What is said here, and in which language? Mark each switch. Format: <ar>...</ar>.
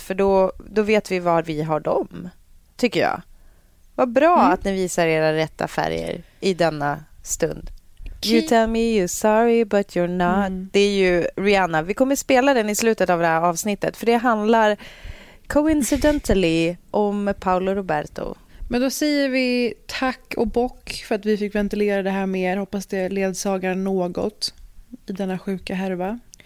<sv>För då vet vi var vi har dem, tycker jag. Vad bra att ni visar era rätta färger i denna stund.</sv> <en>You tell me you're sorry but you're not.</en> <sv>Mm. Det är ju Rihanna. Vi kommer spela den i slutet av det här avsnittet. För det handlar coincidentally om Paolo Roberto. Men då säger vi tack och bock för att vi fick ventilera det här med er. Hoppas det ledsagar något i denna sjuka härva.</sv>